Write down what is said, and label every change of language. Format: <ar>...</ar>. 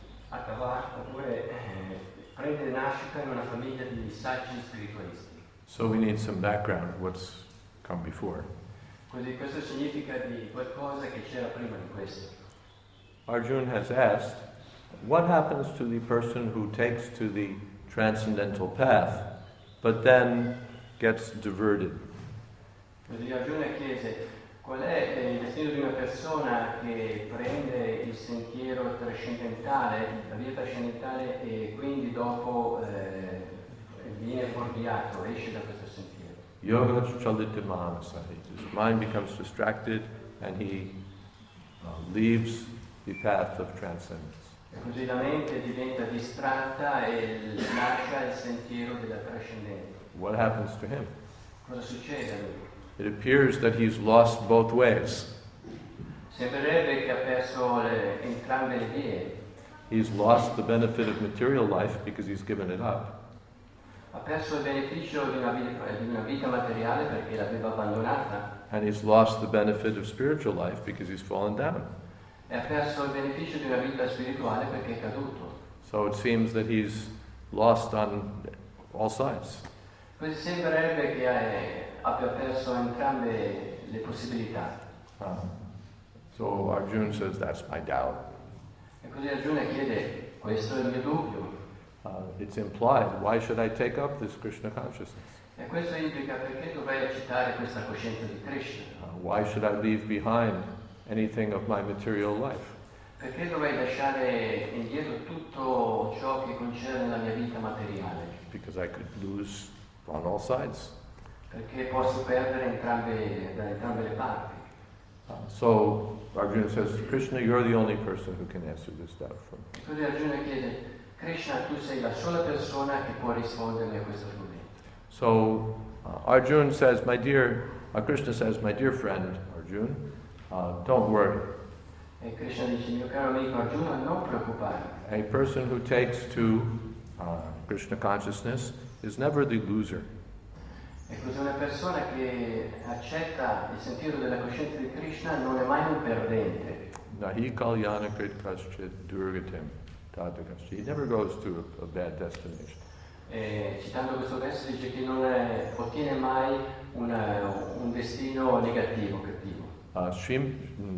<it>Atava, oppure prende nascita in una famiglia di saggi spiritualisti.</it> <en>So we need some background, what's come before.</en> <it>Quindi questo significa di qualcosa che c'era prima di questo.</it> <en>Arjuna has asked, what happens to the person who takes to the transcendental path but then gets diverted?</en> <it>Quindi Arjuna chiese, qual è il destino di una persona che prende il sentiero trascendentale, la via trascendentale, e quindi dopo viene fuorviato, esce da questo sentiero?</it> <sa>Yoga chalita manasa,</sa> <en>his mind becomes distracted and he leaves the path of transcendence.</en> <it>Così la mente diventa distratta e lascia il sentiero della trascendenza.</it> <en>What happens to him?</en> <it>Cosa succede a lui?</it> <en>It appears that he's lost both ways.</en> <it>Sembrerebbe che ha perso entrambe le vie.</it> <en>He's lost the benefit of material life because he's given it up.</en> <it>Ha perso il beneficio di una vita materiale perché l'aveva abbandonata.</it> <en>And he's lost the benefit of spiritual life because he's fallen down.</en> <it>E ha perso il beneficio di una vita spirituale perché è caduto.</it> <en>So it seems that he's lost on all sides.</en> <it>Così sembrerebbe che abbia perso entrambe le possibilità.</it> <en>So Arjuna says, that's my doubt.</en> <it>E così Arjuna chiede, questo è il mio dubbio.</it> <en>It's implied, why should I take up this Krishna consciousness?</en> <it>E questo implica, perché dovrei accettare questa coscienza di Krishna?</it> <en>Why should I leave behind anything of my material life?</en> <it>Perché dovrei lasciare indietro tutto ciò che concerne la mia vita materiale?</it> <en>Because I could lose on all sides.</en> <it>Perché posso perdere da entrambe le parti.</it> <en>So Arjuna says, Krishna, you're the only person who can answer this doubt for me.</en> <it>Quindi Arjuna chiede, Krishna, tu sei la sola persona che può rispondermi a questo problema.</it> <en>So Arjuna says, my dear, Krishna says, my dear friend, Arjuna, don't worry.</en> <it>E Krishna dice, mio caro amico Arjuna, non preoccupare.</it> <en>A person who takes to Krishna consciousness is never the loser.</en> <it>E così una persona che accetta il sentiero della coscienza di Krishna non è mai un perdente.</it> <sa>Nahi kalyana krit kaschit durgatim tata kaschit.</sa> <en>He never goes to a bad destination.</en> <it>E citando questo verso dice che non ottiene mai un destino negativo, cattivo.</it>